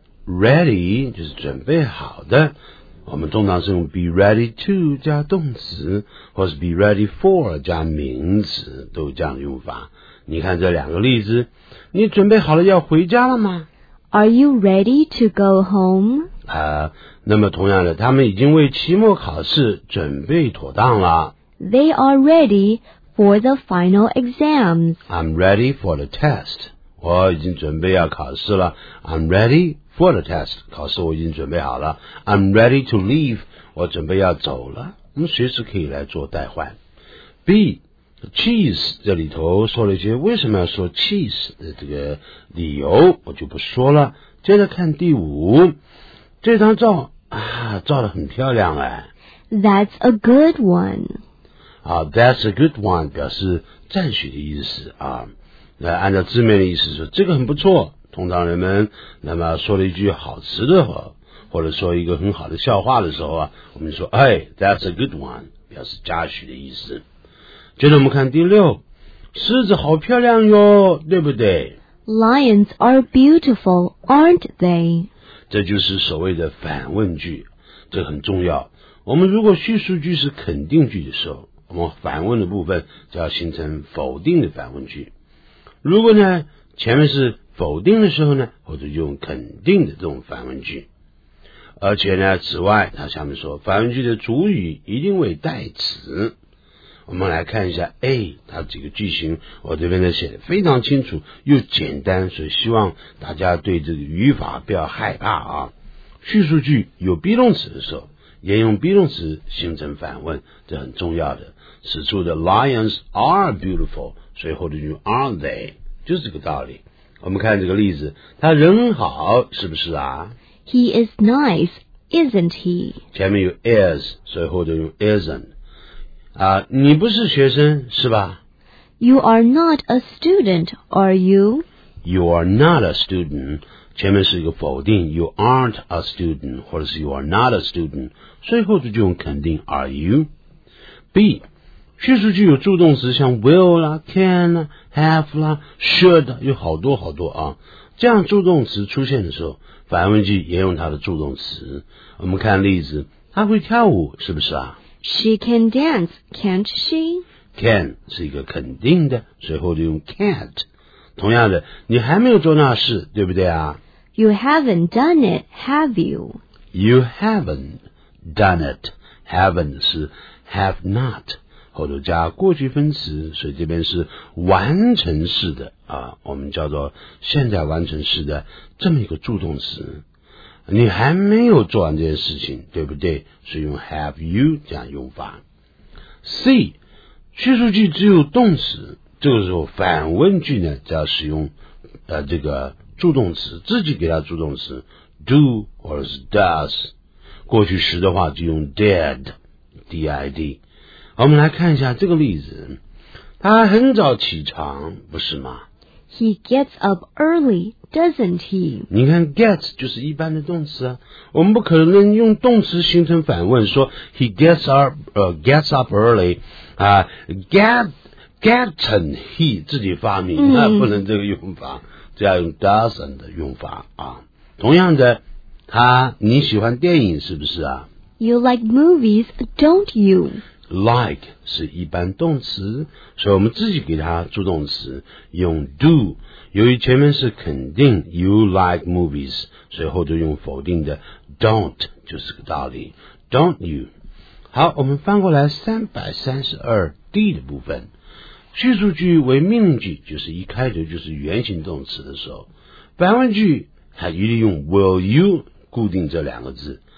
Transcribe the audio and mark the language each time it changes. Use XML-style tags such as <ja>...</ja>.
<zh>Ready 就是准备好的我们通常是用 be ready to 加动词或是 be ready for 加名词都有这样的用法你看这两个例子你准备好了要回家了吗</zh> <en>Are you ready to go home?</en> <zh>那么同样的他们已经为期末考试准备妥当了</zh> <en>They are ready for the final exams I'm ready for the test</en> <zh>我已经准备要考试了 I'm ready for the test 考试我已经准备好了</zh> <en>I'm ready to leave</en> <zh>我准备要走了我们随时可以来做代换 B cheese 这里头说了一些为什么要说 cheese 的这个理由我就不说了接着看第五这张照照得很漂亮哎。</zh> <en>That's a good one.</en> <zh>啊 ,</zh> <en>that's a good one,</en> <zh>表示赞许的意思啊。那按照字面的意思说这个很不错通常人们那么说了一句好词的时候或者说一个很好的笑话的时候啊我们说哎 ,</zh> <en>that's a good one,</en> <zh>表示嘉许的意思。接着我们看第六狮子好漂亮哟对不对</zh> <en>?Lions are beautiful, aren't they?</en> <zh>这就是所谓的反问句这很重要我们如果叙述句是肯定句的时候我们反问的部分就要形成否定的反问句如果呢前面是否定的时候呢或者用肯定的这种反问句而且呢，此外，他下面说，反问句的主语一定会代词。我们来看一下 A， 它这个句型我这边呢写的非常清楚又简单，所以希望大家对这个语法不要害怕啊。叙述句有 be 动词的时候，沿用 be 动词形成反问，这很重要的。此处的 lions are beautiful， 随后的句 are they， 就是这个道理。我们看这个例子，他人好是不是啊？</zh> <en>He is nice, isn't he?</en> <zh>前面有 is， 随后就用 isn't。你不是学生是吧？</zh> <en>You are not a student, are you? You are not a student，</en> <zh>前面是一个否定，</zh> <en>You aren't a student， 或者是 You are not a student，</en> <zh>最后就用肯定</zh> <en>Are you?</en> <zh>B， 叙述句有助动词，像 will 啦、can 啦、have 啦、should 有好多好多啊。这样助动词出现的时候，反问句也用它的助动词。我们看例子，他会跳舞是不是啊？</zh> <en>She can dance, can't she?</en> <zh>Can 是一个肯定的，随后就用 can't。同样的，你还没有做那事，对不对啊？</zh> <en>You haven't done it, have you? You haven't done it.</en> <zh>Haven't 是 have not， 后头加过去分词，所以这边是完成式的啊，我们叫做现在完成式的这么一个助动词。你还没有做完这件事情，对不对？所以用 have you 这样用法。 C， 叙述句只有动词，这个时候反问句呢，只要使用这个助动词，自己给它助动词 do 或者是 does， 过去时的话就用 did。我们来看一下这个例子，他很早起床，不是吗？</zh> <en>He gets up early, doesn't he?</en> <zh>你看 get 就是一般的动词啊，我们不可能用动词形成反问说</zh> <en>he gets up early</en> <zh>啊、gotten he 自己发明、那不能这个用法，这要用 doesn't 的用法啊。同样的，他你喜欢电影是不是啊？</zh> <en>You like movies, don't you?</en> <zh>Like 是一般动词，所以我们自己给它助动词用 do， 由于前面是肯定</zh> <en>you like movies，</en> <zh>所以后头用否定的 don't， 就是个道理 don't you。好，我们翻过来332D 的部分，叙述句为命令句，就是一开头就是原形动词的时候，反问句还一定用 will you 固定这两个字。</zh>